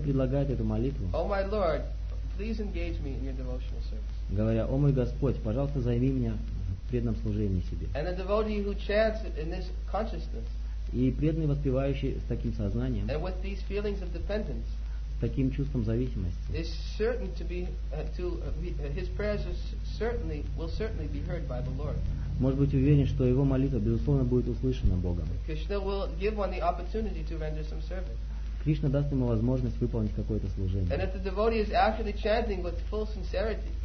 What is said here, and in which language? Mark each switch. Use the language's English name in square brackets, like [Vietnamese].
[Russian] предлагает эту молитву. О, мой Лорд, [English] Please engage me in your devotional service. [Russian] Говоря, о мой Господь, пожалуйста, займи меня в преданном служении себе. [English] And the devotee who chants in this consciousness. [Russian] И преданный, воспевающий с таким сознанием. [English] And with these feelings of dependence. [Russian] С таким чувством зависимости. [English] Is certain to be to his prayers certainly will certainly be heard by the Lord. [Russian] Может быть уверен, что его молитва безусловно будет услышана Богом. [English] Krishna will give one the opportunity to render some service. [Russian] Кришна даст ему возможность выполнить какое-то служение.